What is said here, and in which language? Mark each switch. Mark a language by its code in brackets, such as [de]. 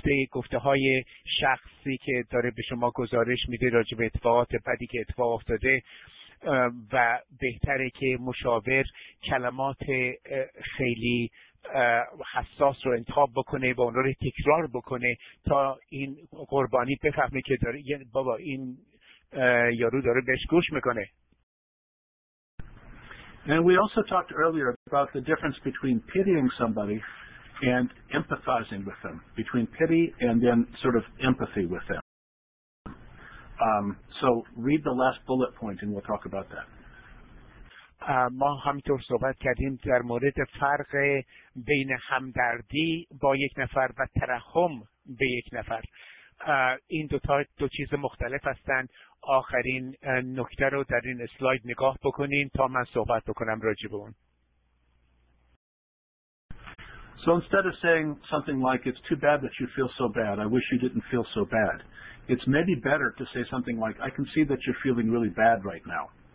[fa] گفته‌های شخصی که داره به شما گزارش میده راجع به اتفاقات بدی که اتفاق افتاده، و بهتره که مشاور کلمات خیلی حساس رو انتخاب بکنه و اون رو تکرار بکنه تا این قربانی بفهمه که داره بابا این یارو داره بهش گوش میکنه. [en] And we also talked earlier about the difference between pitying somebody and empathizing with them, between pity and then sort of empathy with them. So read the last bullet point and we'll talk about that. [fa] ما همینطور صحبت کردیم در مورد فرق بین همدردی با یک نفر و ترحم به یک نفر. این دو چیز مختلف هستند. آخرین نکته رو در این اسلاید نگاه بکنین تا من صحبت بکنم راجع به اون. [en] So instead of saying something like it's too bad that you feel so bad, I wish you didn't feel so bad, it's maybe better to say something like I can see that you're feeling really bad right now.